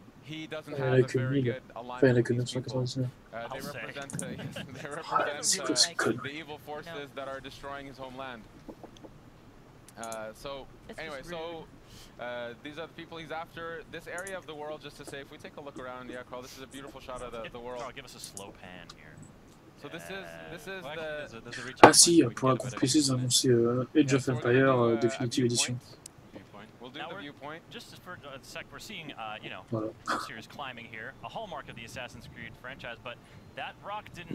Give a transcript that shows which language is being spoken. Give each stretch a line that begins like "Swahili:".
English: he doesn't have a very good alignment with these people. They represent, they represent the evil forces that are destroying his homeland. These are the people he's after. This area of the world, just to say, if we take a look around, yeah, Carl, this is a beautiful shot of the world. Carl, give us a slow pan here. So this is the
French: ah si, pour un groupe PC, ils ont annoncé Age of Empire Definitive Edition.
English: We'll do the viewpoint. Just for a sec, we're seeing, serious climbing here, a hallmark of the Assassin's Creed franchise, but that rock didn't